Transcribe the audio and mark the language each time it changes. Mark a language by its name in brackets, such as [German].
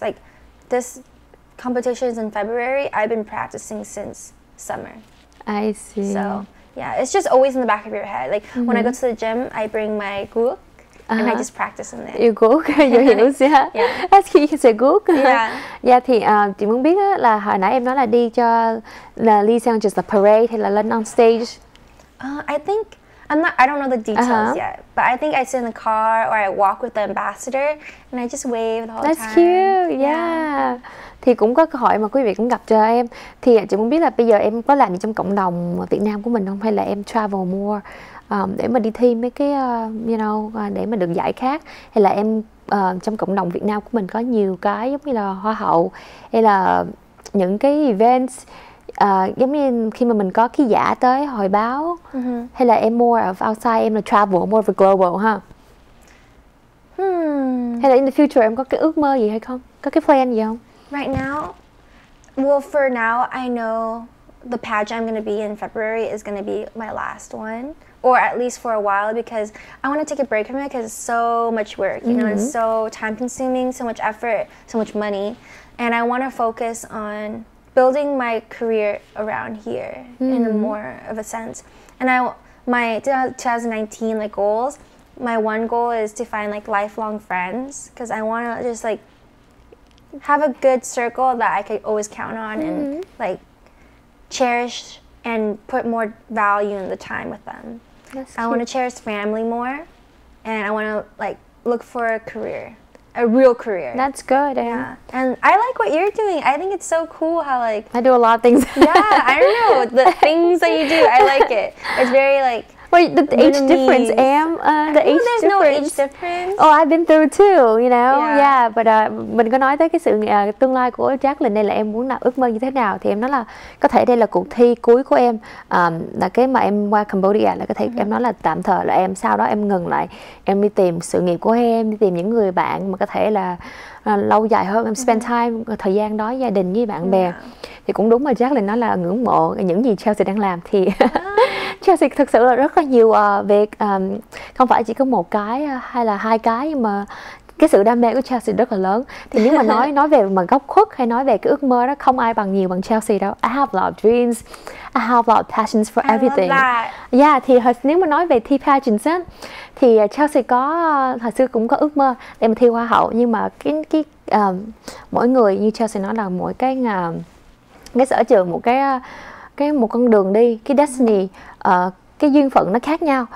[English] Like this competition is in February. I've been practicing since summer. I see. So yeah, it's just always in the back of your head. Like when I go to the gym, I bring my guk and I just practice in there. Your guk, your heels, yeah. That's cute. You can say guk. Yeah. Yeah. [Vietnamese] Thì chị muốn biết là hồi nãy em nói là đi cho là Lee Seung [English] just the parade [Vietnamese] hay là lên [English] on stage. I think I don't know the details yet, but I think I sit in the car or I walk with the ambassador and I just wave the whole That's time. That's cute. Yeah. [Vietnamese] Thì cũng có cơ hội mà quý vị cũng gặp cho em. Thì chị muốn biết là bây giờ em có làm gì trong cộng đồng Việt Nam của mình không? Hay là em [English] travel more [Vietnamese] để mà đi thi mấy cái, [English] you know, [Vietnamese] để mà được giải khác? Hay là em trong cộng đồng Việt Nam của mình có nhiều cái giống như là hoa hậu hay là những cái events giống như khi mà mình có ký giả tới hồi báo hay là em [English] more of outside, [Vietnamese] em là travel, [English] more of a global, [Vietnamese] huh? Hay là [English] in the future [Vietnamese] em có cái ước mơ gì hay không? Có cái plan gì không? [English] Right now, well, for now, I know the pageant I'm going to be in February is going to be my last one, or at least for a while, because I want to take a break from it because it's so much work, you know, it's so time consuming, so much effort, so much money, and I want to focus on building my career around here in a more of a sense. And I, my 2019 like goals, my one goal is to find like lifelong friends, because I want to just like have a good circle that I could always count on and like cherish and put more value in the time with them. That's I want to cherish family more, and I want to like look for a career. a real career. That's good. Yeah. And I like what you're doing. I think it's so cool how, like, I do a lot of things. Yeah, I don't know. The things that you do, I like it. It's very, like, wait, the Vietnamese. Age difference, Am? The age there's difference. No age difference. Oh, I've been through too, you know? Yeah, but [Vietnamese] mình có nói tới cái sự tương lai của Jacqueline đây là em muốn là ước mơ như thế nào, thì em nói là có thể đây là cuộc thi cuối của em, là cái mà em qua Cambodia, là có thể em nói là tạm thời là em sau đó em ngừng lại, em đi tìm sự nghiệp của em, đi tìm những người bạn mà có thể là lâu dài hơn, em [English] spend time [Vietnamese] thời gian đó gia đình với bạn bè. Thì cũng đúng mà Jacqueline nói là ngưỡng mộ những gì Chelsea đang làm, thì Chelsea thực sự là rất là nhiều việc, không phải chỉ có một cái hay là hai cái, nhưng mà cái sự đam mê của Chelsea rất là lớn. Thì nếu mà nói về mà góc khuất hay nói về cái ước mơ đó, không ai bằng nhiều bằng Chelsea đâu. [English] I have a lot of dreams, I have a lot of passions for everything. I love that. [Vietnamese] Yeah, thì nếu mà nói về thi pageants á, thì Chelsea có hồi xưa cũng có ước mơ để mà thi hoa hậu, nhưng mà cái mỗi người như Chelsea nói là mỗi cái sở trường, một con đường đi, cái destiny, cái duyên phận nó khác nhau.